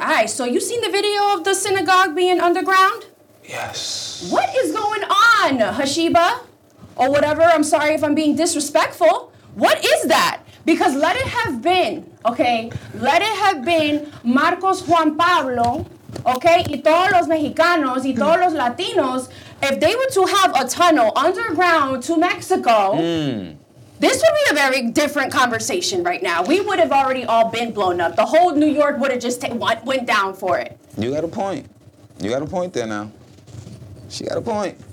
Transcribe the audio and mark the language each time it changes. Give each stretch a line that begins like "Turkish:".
English: All right, so you seen the video of the synagogue being underground? Yes. What is going on, Hashiba? Or whatever, I'm sorry if I'm being disrespectful. What is that? Because let it have been, okay? Let it have been Marcos Juan Pablo, okay?
Spanish: Y todos los Mexicanos, y todos los Latinos.
English: If they were to have a tunnel underground to Mexico, this would be a very different conversation right now. We would have already all been blown up. The whole New York would have just went down for it. You got a point. You got a point there now. She got a point.